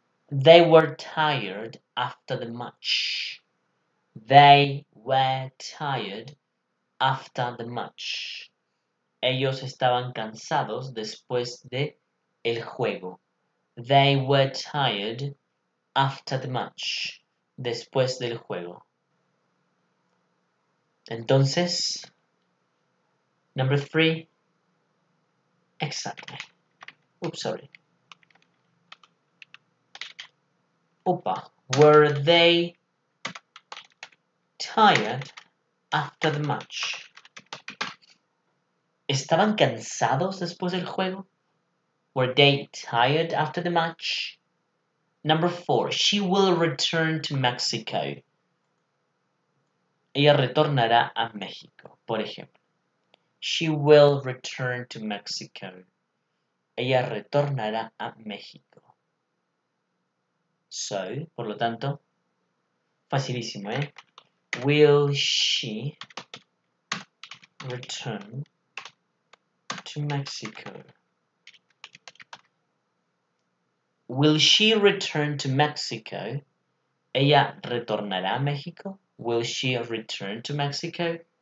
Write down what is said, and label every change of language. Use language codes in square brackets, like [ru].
[en] They were tired after the match. They were tired after the match. [es] Ellos estaban cansados después de el juego. [en] They were tired after the match. [es] Después del juego. Entonces, [en] number three. Exactly. Oops, sorry. Opa. Were they tired after the match? [es] ¿Estaban cansados después del juego? [en] Were they tired after the match? Number four. She will return to Mexico. [es] Ella retornará a México, por ejemplo. [en] She will return to Mexico. [es] Ella retornará a México. [en] So, [es] por lo tanto, facilísimo, ¿eh? [en] Will she return to Mexico? Will she return to Mexico? [es] ¿Ella retornará a México? [en] Will she return to Mexico?